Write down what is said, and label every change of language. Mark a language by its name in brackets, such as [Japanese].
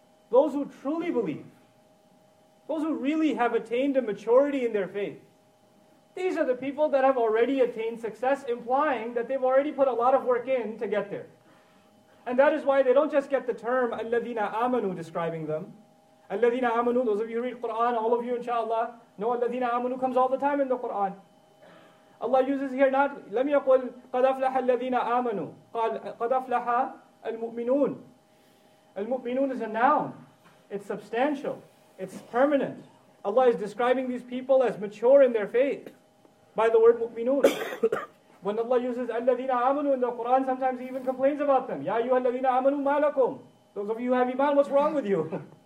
[English] Those who truly believe, those who really have attained a maturity in their faith, these are the people that have already attained success, implying that they've already put a lot of work in to get there. And that is why they don't just get the term [Arabic] الَّذِينَ آمَنُوا [English] describing them. [Arabic] الَّذِينَ آمَنُوا, [English] those of you who read Qur'an, all of you inshaAllah, know الَّذِينَ آمَنُوا comes all the time in the Qur'an. Allah uses here not, [Arabic] لَمْ يَقُلْ قَدْ أَفْلَحَ الَّذِينَ آمَنُوا قَالْ قَدْ أَفْلَحَ الْمُؤْمِنُونَ. [English] Al-mu'minun is a noun. It's substantial. It's permanent. Allah is describing these people as mature in their faith by the word mu'minun. When Allah uses al-ladhina amanu in the Quran, sometimes He even complains about them. [Arabic] Ya ayyuha al-ladhina amanu ma lakum. [English] Those of you who have iman, what's wrong with you?